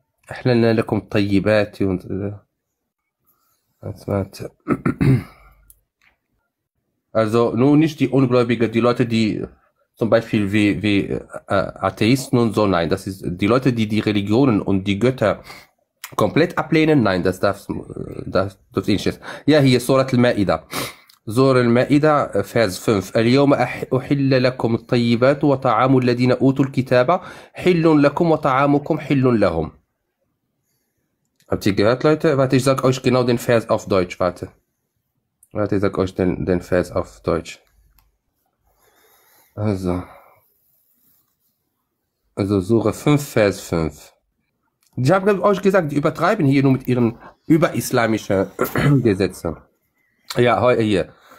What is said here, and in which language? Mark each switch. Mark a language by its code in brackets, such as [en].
[ar] أحللنا لكم الطيبات و سمعت. [de] Also nur nicht die Ungläubigen, die Leute, die zum Beispiel wie Atheisten und so, nein, das ist die Leute, die die Religionen und die Götter komplett ablehnen, nein, das darf ich nicht. Ja, hier ist Surat al-Ma'idah. Surat al-Ma'idah, Vers 5. [ar] اليوم أحل لكم الطيبات وطعام الذين أوتوا الكتاب حل لكم وطعامكم حل لهم. [de] Habt ihr gehört, Leute? Warte, ich sag euch genau den Vers auf Deutsch. Warte. Warte, ich sag euch den Vers auf Deutsch. Also Sure 5, Vers 5. Ich habe euch gesagt, die übertreiben hier nur mit ihren überislamischen Gesetzen. Ja, hier.